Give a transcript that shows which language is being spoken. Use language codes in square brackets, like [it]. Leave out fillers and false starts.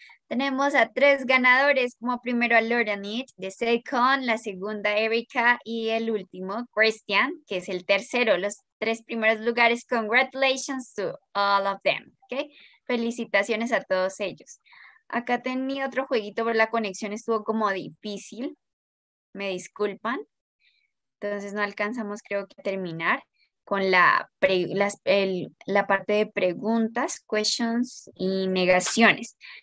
[es] Tenemos a tres ganadores. Como primero a learn it. [en] The second, [es] la segunda Erica. Y el último, Christian, que es el tercero. Los tres primeros lugares. [en] Congratulations to all of them. Okay? [es] Felicitaciones a todos ellos. Acá tenía otro jueguito, pero la conexión estuvo como difícil. Me disculpan. Entonces no alcanzamos, creo que, terminar con la parte de preguntas, questions y negaciones.